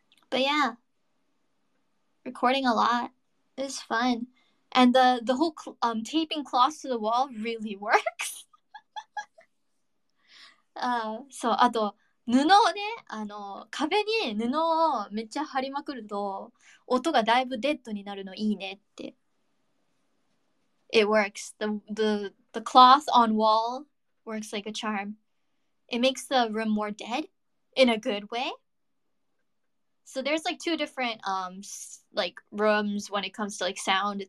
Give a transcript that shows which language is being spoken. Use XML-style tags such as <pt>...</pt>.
<en>But yeah. Recording a lot is fun. And the whole taping cloths to the wall really works.</en> <ja>So, あと布をね、あの壁に布をめっちゃ貼りまくると音がだいぶデッドになるのいいねって。</ja> <en>It works. The cloth on wall works like a charm. It makes the room more dead in a good way. So there's like two different like rooms when it comes to like sound.</en>